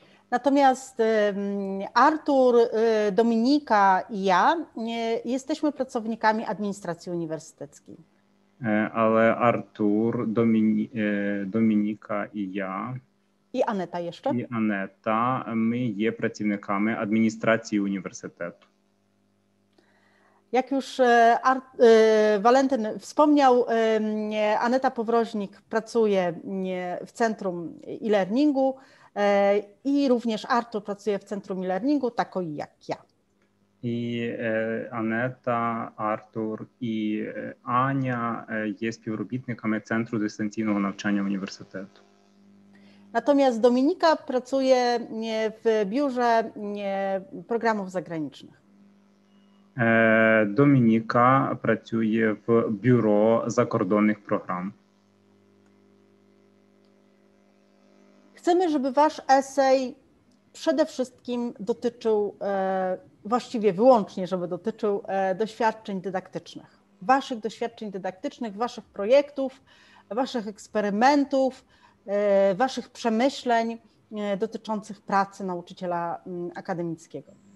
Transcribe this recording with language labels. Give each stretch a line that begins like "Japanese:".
Ukrainian: Натомість Артур, Домініка і я єстешми працівниками адміністрації університетської. Але Артур, Домініка і я... І Анета ще? І Анета, ми є працівниками адміністрації університету.
Polish: Jak już Walentyn wspomniał, Aneta Powroźnik pracuje w Centrum e-Learningu i również Artur pracuje w Centrum e-Learningu, tak jak ja. I Aneta, Artur i Ania są współpracownikami Centrum Dystancyjnego Nauczania Uniwersytetu. Natomiast Dominika pracuje w Biurze Programów Zagranicznych.
Ukrainian: Домініка працює в бюро закордонних програм.
Polish: Хочемо, щоб ваш есей przede wszystkim dotyczył, właściwie wyłącznie, żeby dotyczył doświadczeń dydaktycznych. Ваших doświadczeń dydaktycznych, ваших projektów, ваших eksperymentów, ваших przemyśleń dotyczących pracy nauczyciela akademickiego.